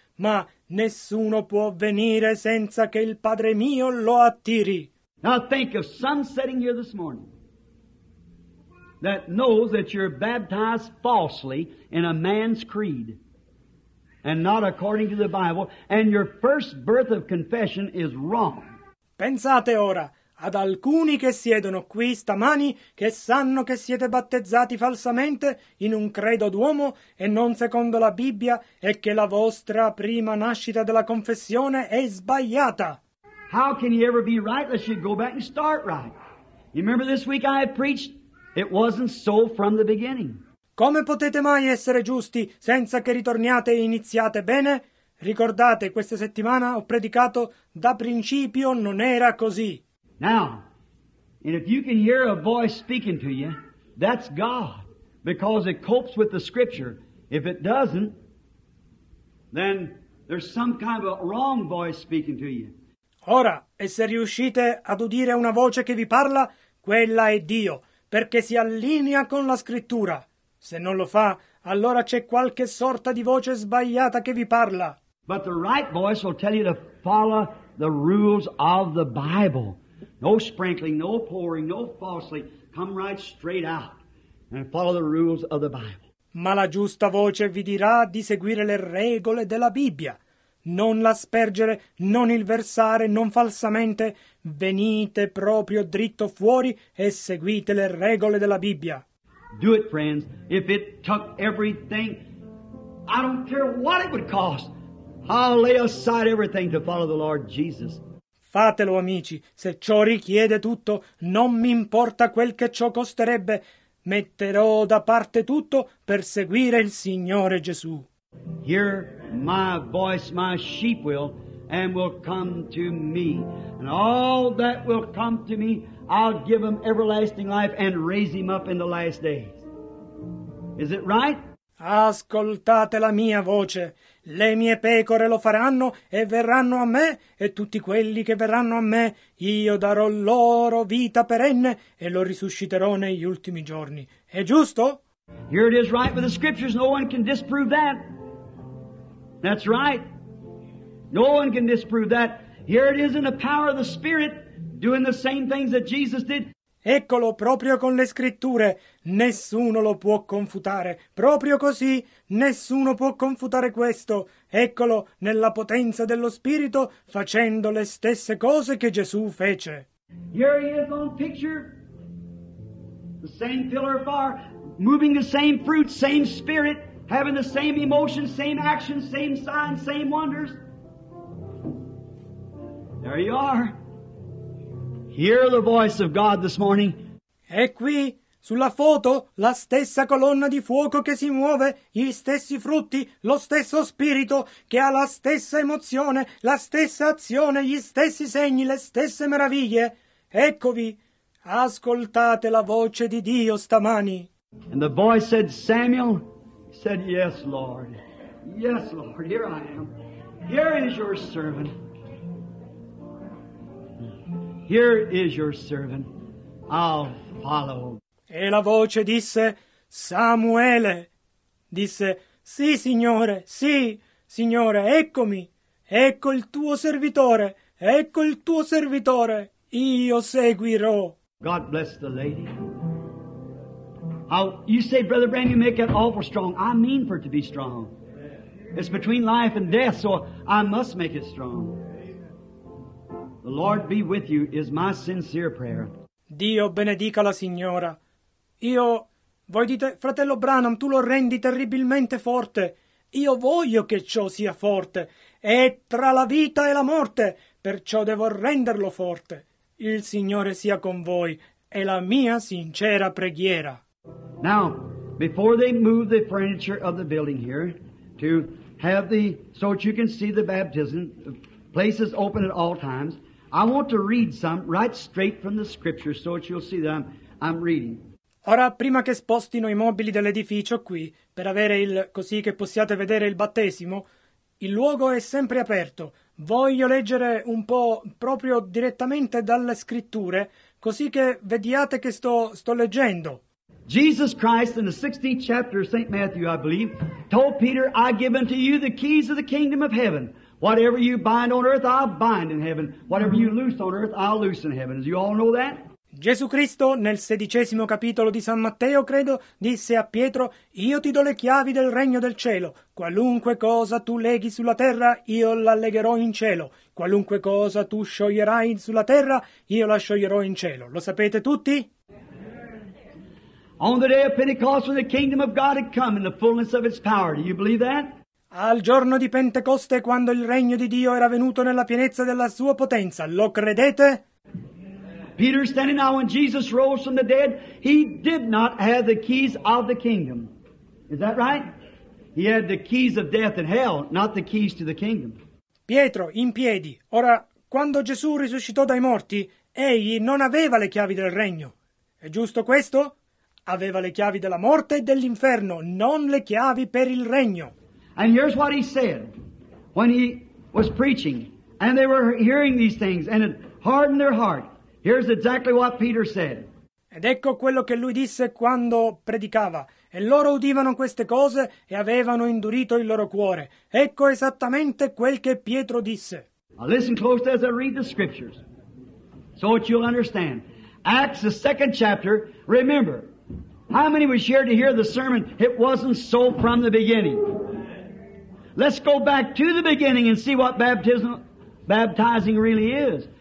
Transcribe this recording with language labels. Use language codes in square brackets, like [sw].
[it] Ma nessuno può venire senza che il Padre mio lo attiri. [en] Now think of some sitting here this morning that knows that you're baptized falsely in a man's creed. and not according to the Bible, and your first birth of confession is wrong. [it] Pensate ora ad alcuni che siedono qui stamani che sanno che siete battezzati falsamente in un credo d'uomo e non secondo la Bibbia e che la vostra prima nascita della confessione è sbagliata. [en] How can you ever be right unless you go back and start right? You remember this week I preached, it wasn't so from the beginning. [it] Come potete mai essere giusti senza che ritorniate e iniziate bene? Ricordate, questa settimana ho predicato, da principio non era così. [en] Now, and if you can hear a voice speaking to you, that's God, because it copes with the Scripture. If it doesn't, then there's some kind of a wrong voice speaking to you. [it] Ora, e se riuscite ad udire una voce che vi parla, quella è Dio, perché si allinea con la Scrittura. Se non lo fa, allora c'è qualche sorta di voce sbagliata che vi parla. [en] But the right voice will tell you to follow the rules of the Bible. No sprinkling, no pouring, no falsely. Come right straight out and follow the rules of the Bible. [it] Ma la giusta voce vi dirà di seguire le regole della Bibbia. Non l'aspergere, non il versare, non falsamente. Venite proprio dritto fuori e seguite le regole della Bibbia. [en] Do it, friends. If it took everything, I don't care what it would cost, I'll lay aside everything to follow the Lord Jesus. [it] Fatelo, amici. Se ciò richiede tutto, non mi importa quel che ciò costerebbe. Metterò da parte tutto per seguire il Signore Gesù. [en] Hear my voice, my sheep will, and will come to me. And all that will come to me, I'll give him everlasting life and raise him up in the last days. Is it right? [it] Ascoltate la mia voce. Le mie pecore lo faranno e verranno a me, e tutti quelli che verranno a me, io darò loro vita perenne e lo risusciterò negli ultimi giorni. È giusto? [en] Here it is right with the Scriptures. No one can disprove that. That's right. No one can disprove that. Here it is in the power of the Spirit, doing the same things that Jesus did. [it] Eccolo proprio con le Scritture. Nessuno lo può confutare. Proprio così, nessuno può confutare questo. Eccolo nella potenza dello Spirito, facendo le stesse cose che Gesù fece. [en] Here he is on picture. The same pillar of fire, moving the same fruit, same Spirit, having the same emotion, same action, same signs, same wonders. There you are. Hear the voice of God this morning. [it] E qui, sulla foto, la stessa colonna di fuoco che si muove, gli stessi frutti, lo stesso spirito che ha la stessa emozione, la stessa azione, gli stessi segni, le stesse meraviglie. Eccovi, ascoltate la voce di Dio stamani. [en] And the voice said, Samuel, he said, yes, Lord. Yes, Lord, here I am. Here is your servant. Here is your servant. I'll follow. [it] E la voce disse, Samuele. Disse, sì, Signore, sì, Signore, eccomi. Ecco il tuo servitore, ecco il tuo servitore. Io seguirò. [en] God bless the lady. You say, Brother Branham, you make it awful strong. I mean for it to be strong. It's between life and death, so I must make it strong. The Lord be with you is my sincere prayer. [it] Dio benedica la signora. Io, voi dite, fratello Branham, tu lo rendi terribilmente forte. Io voglio che ciò sia forte. È tra la vita e la morte, perciò devo renderlo forte. Il Signore sia con voi. È la mia sincera preghiera. [en] Now, before they move the furniture of the building here, to have the, so that you can see the baptism, places open at all times, I want to read some right straight from the Scripture so that you'll see that I'm reading. [it] Ora, prima che spostino i mobili dell'edificio qui, per avere il così che possiate vedere il battesimo, il luogo è sempre aperto. Voglio leggere un po' proprio direttamente dalle Scritture, così che vediate che sto leggendo. [en] Jesus Christ, in the 16th chapter of St. Matthew, I believe, told Peter, I give unto you the keys of the kingdom of heaven. Whatever you bind on earth, I'll bind in heaven. Whatever you loose on earth, I'll loose in heaven. Do you all know that? [it] Gesù Cristo, nel sedicesimo capitolo di San Matteo, credo, disse a Pietro: «Io ti do le chiavi del regno del cielo. Qualunque cosa tu leghi sulla terra, io la legherò in cielo. Qualunque cosa tu scioglierai sulla terra, io la scioglierò in cielo». Lo sapete tutti? [en] On the day of Pentecost, when the kingdom of God had come in the fullness of its power. Do you believe that? [it] Al giorno di Pentecoste, quando il regno di Dio era venuto nella pienezza della sua potenza, lo credete? [en] Peter standing now when Jesus rose from the dead, he did not have the keys of the kingdom. Is that right? He had the keys of death and hell, not the keys to the kingdom. [it] Pietro, in piedi. Ora, quando Gesù risuscitò dai morti, egli non aveva le chiavi del regno. È giusto questo? Aveva le chiavi della morte e dell'inferno, non le chiavi per il regno. [en] And here's what he said when he was preaching, and they were hearing these things, and it hardened their heart. Here's exactly what Peter said. [it] Ed ecco quello che lui disse quando predicava. E loro udivano queste cose e avevano indurito il loro cuore. Ecco esattamente quel che Pietro disse. [en] Now listen close as I read the scriptures, so that you'll understand. Acts, the second chapter, remember, how many was here to hear the sermon? It wasn't so from the beginning. Let's go back to the beginning and see what baptizing really is.